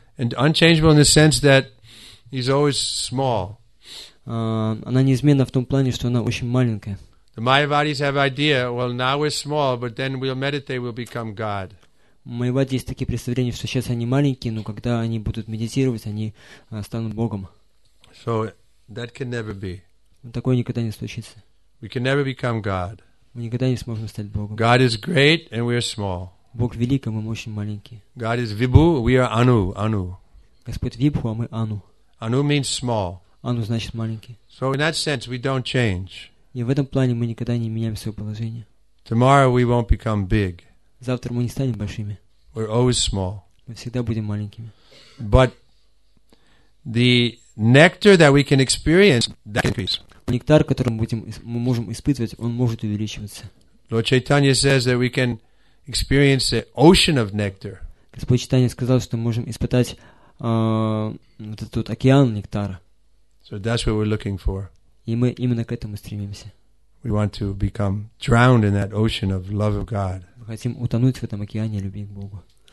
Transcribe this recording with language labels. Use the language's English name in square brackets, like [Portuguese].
[English] And unchangeable in the sense that he's always small. [Russian] Она неизменна в том плане, что она очень маленькая. [English] The Mayavadis have idea. Well, now we're small, but then we'll meditate, we'll become God. [Russian] Майявади есть такие представления, что сейчас они маленькие, но когда они будут медитировать, они станут Богом. [English] So that can never be. [Russian] Такое никогда не случится. [English] We can never become God. [Russian] Мы никогда не сможем стать Богом. [English] God is great, and we are small. [Russian] Бог велик, а мы очень маленькие. [English] God is Vibhu, we are Anu. [Russian] Господь Вибху, а мы Ану. [English] Anu means small. [Russian] Anu значит маленький. [English] So in that sense, we don't change. [Russian] И в этом плане мы никогда не меняем свое положение. [English] Tomorrow we won't become big. [Russian] Завтра мы не станем большими. [English] We're always small. [Russian] Мы всегда будем маленькими. [English] But the nectar that we can experience, that increases. [Russian] Нектар, который мы можем испытывать, он может увеличиваться. [English] Lord Chaitanya says that we can experience the ocean of nectar. [Russian] Господь Чайтанья сказал, что мы можем испытать это тот океан нектара. [English] So that's what we're looking for. [Russian] И мы именно к этому стремимся. [English] We want to become drowned in that ocean of love of God. [Russian] Мы хотим утонуть в этом океане любви к Богу.